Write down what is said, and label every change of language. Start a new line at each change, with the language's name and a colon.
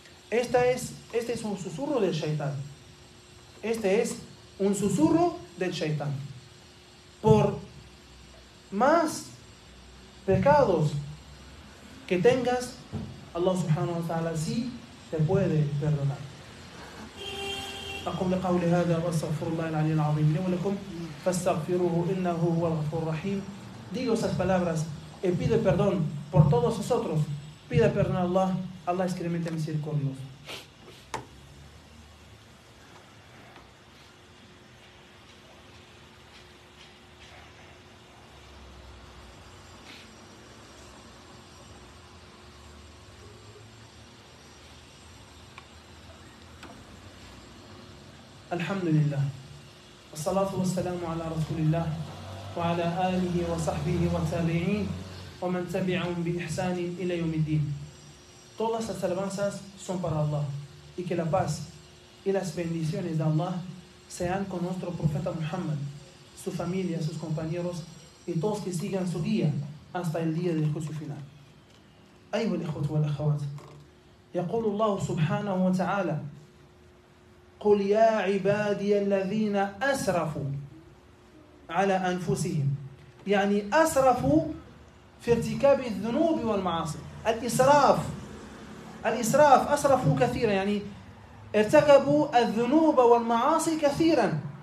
Spanish: Este es un susurro del shaitán. Este es un susurro del shaitán. Por más pecados que tengas, Allah subhanahu wa ta'ala sí te puede perdonar.
Arabic: أقول قول هذا وأستغفر الله العلي العظيم لي ولكم فاستغفروه إنه هو الغفور الرحيم.
Spanish: Digo esas palabras y pide perdón por todos nosotros. Pide perdón a Allah. Allah es clemente misericordioso.
Arabic: الحمد لله والصلاة والسلام على رسول الله وعلى آله وصحبه والتابعين ومن تبعهم بإحسان إلى يوم الدين.
Spanish: Todas las alabanzas son para Allah, y que la paz y las bendiciones de Allah sean con nuestro profeta Muhammad, su familia, sus compañeros y todos que sigan su guía hasta el día del juicio final.
Arabic: أيها الإخوة والأخوات, يقول الله سبحانه وتعالى, قل يا عبادي الذين أسرفوا على أنفسهم, يعني أسرفوا في ارتكاب الذنوب والمعاصي. الإسراف، الإسراف، أسرفوا كثيرا يعني ارتكبوا الذنوب والمعاصي كثيرا.